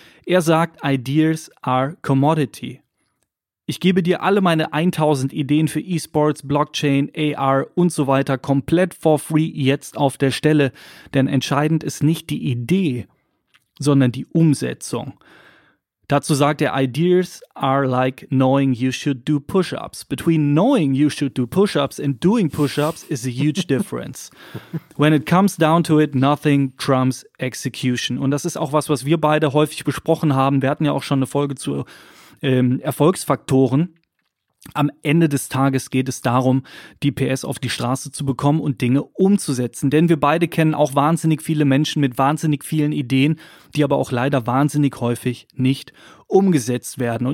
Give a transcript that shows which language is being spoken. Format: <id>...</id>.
<de>Er sagt,</de> <en>Ideas are commodity.</en> <de>Ich gebe dir alle meine 1000 Ideen für E-Sports, Blockchain, AR und so weiter komplett for free jetzt auf der Stelle. Denn entscheidend ist nicht die Idee, sondern die Umsetzung. Dazu sagt er,</de> <en>ideas are like knowing you should do push-ups. Between knowing you should do push-ups and doing push-ups is a huge difference. When it comes down to it, nothing trumps execution.</en> <de>Und das ist auch was wir beide häufig besprochen haben. Wir hatten ja auch schon eine Folge zu Erfolgsfaktoren. Am Ende des Tages geht es darum, die PS auf die Straße zu bekommen und Dinge umzusetzen. Denn wir beide kennen auch wahnsinnig viele Menschen mit wahnsinnig vielen Ideen, die aber auch leider wahnsinnig häufig nicht umgesetzt werden.</de>